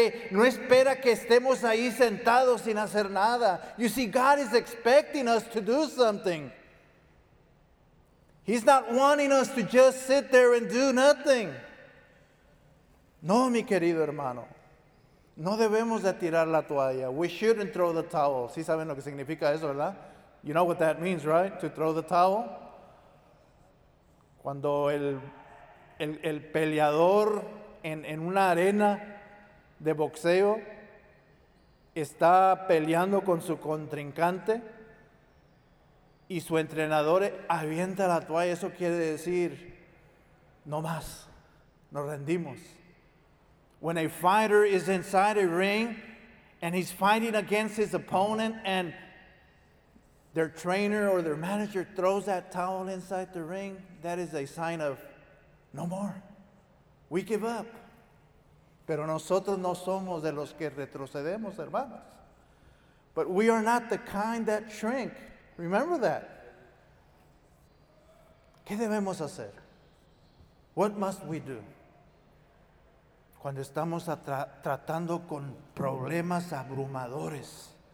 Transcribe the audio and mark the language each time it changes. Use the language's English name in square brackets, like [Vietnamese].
[Spanish] No espera que estemos ahí sentados sin hacer nada. [English] You see, God is expecting us to do something. He's not wanting us to just sit there and do nothing. [Spanish] No, mi querido hermano, no debemos de tirar la toalla. [English] We shouldn't throw the towel. [Spanish] ¿Sí saben lo que significa eso, verdad? [English] You know what that means, right? To throw the towel. [Spanish] Cuando el peleador en una arena de boxeo está peleando con su contrincante y su entrenador avienta la toalla, eso quiere decir, no más, nos rendimos. [English] When a fighter is inside a ring and he's fighting against his opponent and their trainer or their manager throws that towel inside the ring, that is a sign of no more. We give up. [Spanish] Pero nosotros no somos de los que retrocedemos, hermanos. [English] But we are not the kind that shrink. Remember that. [Spanish] ¿Qué debemos hacer? [English] What must we do? [Spanish] Cuando estamos tratando con problemas abrumadores.